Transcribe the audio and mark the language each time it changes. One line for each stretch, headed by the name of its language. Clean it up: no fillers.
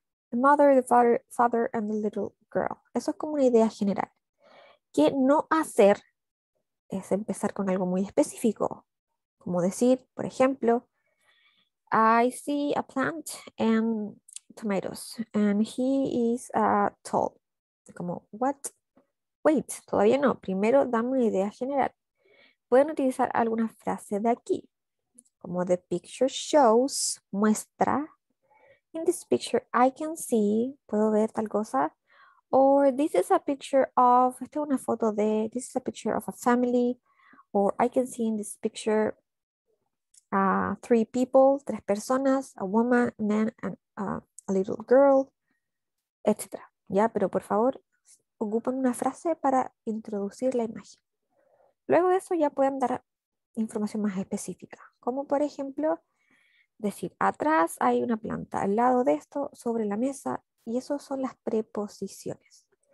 English: The mother, the father, and the little girl.
Spanish: Eso es como una idea general. ¿Qué no hacer? Es empezar con algo muy específico. Como decir, por ejemplo,
English: I see a plant and tomatoes, and he is tall.
Spanish: Como,
English: what? Wait,
Spanish: todavía no. Primero, dame una idea general. Pueden utilizar alguna frase de aquí. Como,
English: the picture shows,
Spanish: muestra.
English: In this picture, I can see,
Spanish: puedo ver tal cosa.
English: Or, this is a picture of,
Spanish: esta es una foto de,
English: this is a picture of a family. Or, I can see in this picture, three people,
Spanish: tres personas,
English: a woman, man, and a little girl, etc.
Spanish: Ya, pero por favor, ocupen una frase para introducir la imagen. Luego de eso ya pueden dar información más específica. Como por ejemplo, decir, atrás hay una planta, al lado de esto, sobre la mesa, y eso son las preposiciones.